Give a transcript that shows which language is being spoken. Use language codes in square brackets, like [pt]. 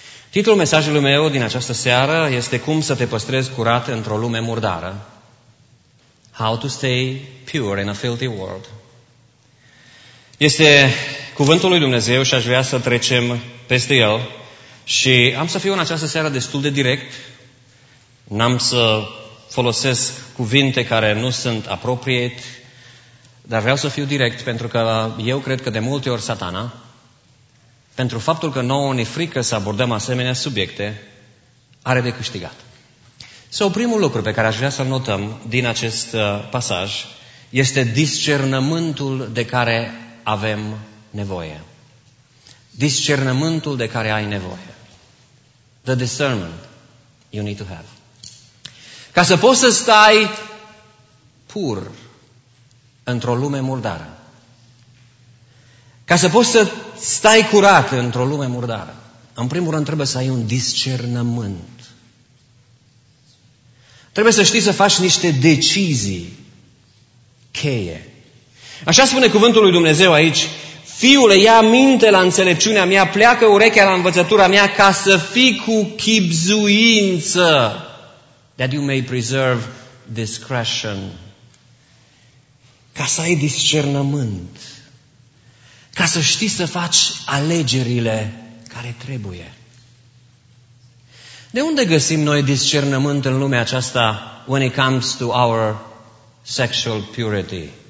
[ro] Titlul mesajului meu din această seară este: cum să te păstrezi curat într-o lume murdară. [en] How to stay pure in a filthy world. [ro] Este cuvântul lui Dumnezeu și aș vrea să trecem peste el. Și am să fiu în această seară destul de direct. N-am să folosesc cuvinte care nu sunt apropiate. Dar vreau să fiu direct, pentru că eu cred că de multe ori Satana, pentru faptul că nouă ne frică să abordăm asemenea subiecte, are de câștigat. Primul lucru pe care aș vrea să-l notăm din acest pasaj este discernământul de care avem nevoie. Discernământul de care ai nevoie. [en] The discernment you need to have. [ro] Ca să poți să stai pur într-o lume murdară. Ca să poți să stai curat într-o lume murdară. În primul rând trebuie să ai un discernământ. Trebuie să știi să faci niște decizii cheie. Așa spune cuvântul lui Dumnezeu aici. Fiule, ia minte la înțelepciunea mea, pleacă urechea la învățătura mea ca să fii cu chibzuință. [en] That you may preserve discretion. [ro] Ca să ai discernământ. Ca să știi să faci alegerile care trebuie. De unde găsim noi discernământ în lumea aceasta [en] when it comes to our sexual purity?